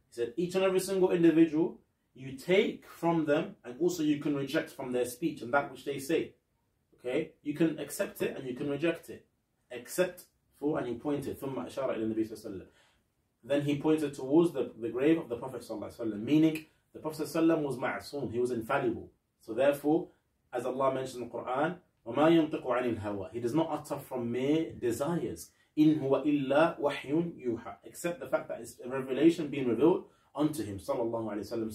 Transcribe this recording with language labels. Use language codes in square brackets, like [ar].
[en] He said each and every single individual you take from them, and also you can reject from their speech and that which they say. Okay, you can accept it and you can reject it. Except for, and he pointed, [ar] ثُمَّ أَشَارَ إِلَى النَّبِي صَلَّى اللَّهُ عَلَيْهِ وَسَلَّمَ. [en] Then he pointed towards the grave of the Prophet صلى الله عليه وسلم, meaning the Prophet صلى الله عليه وسلم was ma'asoon, he was infallible. So therefore, as Allah mentioned in the Quran, [ar] وَمَا يَنْطِقُ عَنِ الْهَوَى, [en] he does not utter from mere desires. [ar] إِنْ هُوَ إِلَّا وَحْيٌ يُوحَى, [en] except the fact that it's a revelation being revealed unto him صلى الله عليه وسلم.